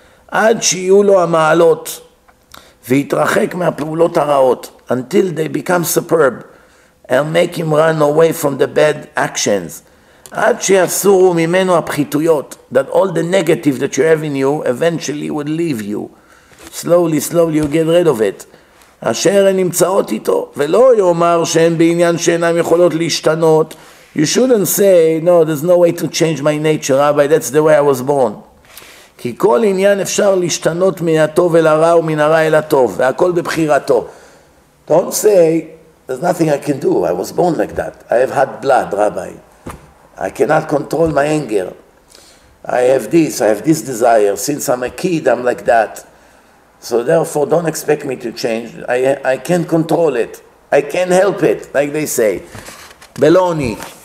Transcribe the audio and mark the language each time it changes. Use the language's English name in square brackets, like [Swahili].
[Hebrew] עד שיהיו לו המעלות והתרחק מהפעולות הרעות, [English] until they become superb and make him run away from the bad actions. [Hebrew] עד שיסורו ממנו הפחיתויות, [English] that all the negative that you have in you eventually would leave you. Slowly, slowly you get rid of it. [Hebrew] אשר הן נמצאות איתו, ולא יאמר שהן בעניין שאינם יכולות להשתנות. [English] You shouldn't say, no, there's no way to change my nature, Rabbi, that's the way I was born. [Hebrew] כי כל עניין אפשר להשתנות מן הטוב אל הרע ומן הרע אל הטוב, והכל בבחירתו. [English] Don't say There's nothing I can do. I was born like that. I have had blood, Rabbi. I cannot control my anger. I have this desire. Since I'm a kid, I'm like that. So therefore, don't expect me to change. I can't control it. I can't help it, like they say. Baloney.